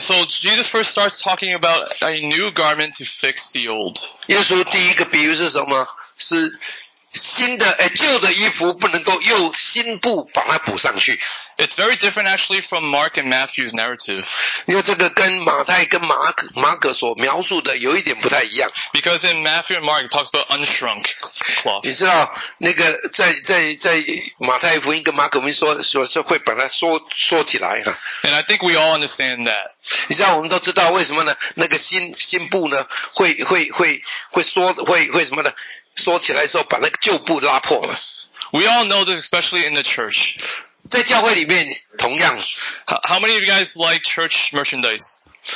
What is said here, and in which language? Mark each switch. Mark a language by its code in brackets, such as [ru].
[en] so Jesus first starts talking about a new garment to fix the old. [zh] 耶稣第一个比喻是什么？是 新的，旧的衣服不能够用新布把它补上去。 [en] It's very different actually from Mark and Matthew's narrative. [zh] 因为这个跟马太跟马可所描述的有一点不太一样。 [en] Because in Matthew and Mark it talks about unshrunk cloth. [zh] 你知道，那个在马太福音跟马可福音说会把它缩起来。 [en] And I think we all understand that. [zh] 你知道我们都知道为什么呢？那个新布呢会缩会什么的。 [en] We all know this, especially in the church. [zh] 在教会里面同样, [en] How many of you guys like church merchandise?